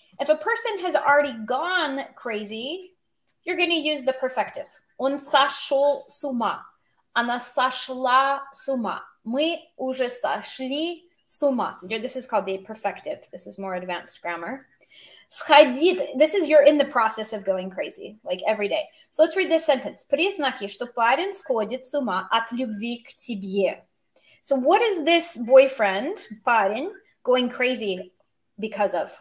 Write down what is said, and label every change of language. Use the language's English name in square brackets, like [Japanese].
[English] If a person has already gone crazy, you're gonna use the perfective. [Russian] Он сошел с ума. Она сошла с ума. Мы уже сошли. Сума. [English] This is called the perfective. This is more advanced grammar. Сходить. This is you're in the process of going crazy, like every day. So let's read this sentence. [Russian] Признаки, что парень сходит с ума от любви к тебе. [English] So what is this boyfriend, парень, going crazy because of?